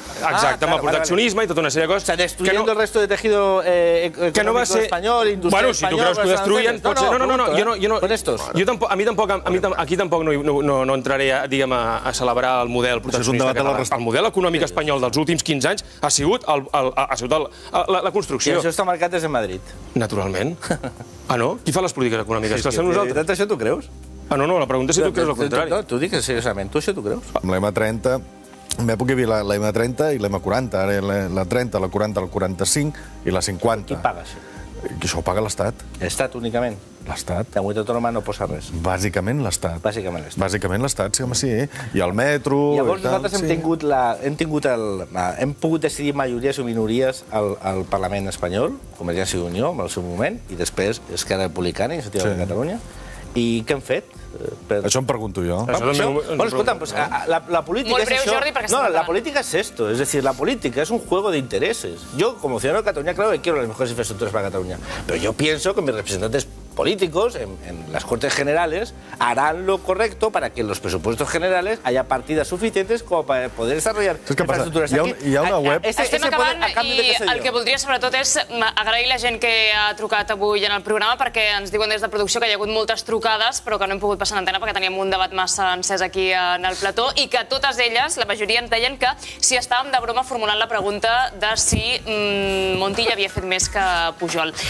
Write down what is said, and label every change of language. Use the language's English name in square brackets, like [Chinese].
[Catalan] Exacte, amb el proteccionisme i tota una sèrie de coses. [Spanish] O sea, destruyendo el resto de tejido económico español, industrial español... [Catalan] Bueno, si tu creus que ho destruyen... [Spanish] No, con estos. [Catalan] Aquí tampoc no entraré, diguem, a celebrar el model proteccionista català. El model econòmic espanyol dels últims 15 anys ha sigut la construcció. I això està marcat des de Madrid. Naturalment. Ah, no? Qui fa les polítiques econòmiques? Que són nosaltres. Això t'ho creus? Ah, no, la pregunta és si tu creus el contrari. No, tu digues seriosament. Tu això t'ho creus? Amb l'M30, en l'època hi havia l'M30 i l'M40. Ara hi ha la 30, la 40, la 45 i la 50. Qui paga això? Això ho paga l'Estat. L'Estat únicament? L'Estat. La comunitat autònoma no posa res. Bàsicament l'Estat. Bàsicament l'Estat. Bàsicament l'Estat, sí, home, sí. I el metro... Llavors nosaltres hem pogut decidir majories o minories al Parlament espanyol, Convergència i Unió, en el seu moment, i després Esquerra Republicana, Iniciativa de Catalunya. I què hem fet? Això em pregunto jo. Bueno, escolta'm, la política és això... Molt breu, Jordi, perquè... No, la política és esto. [Spanish] Es decir, la política es un juego de intereses. Yo, como ciudadano de Cataluña, claro que quiero las mejores infraestructuras para Cataluña. Pero yo pienso que mis representantes políticos en las Cortes Generales harán lo correcto para que en los presupuestos generales haya partidas suficientes como para poder desarrollar infraestructuras aquí. [Catalan] Hi ha una web... Estem acabant i el que voldria, sobretot, és agrair la gent que ha trucat avui en el programa, perquè ens diuen des de producció que hi ha hagut moltes trucades, però que no hem pogut passar en antena perquè teníem un debat massa encès aquí en el plató, i que totes elles, la majoria, ens deien que si estàvem de broma formulant la pregunta de si Montilla havia fet més que Pujol.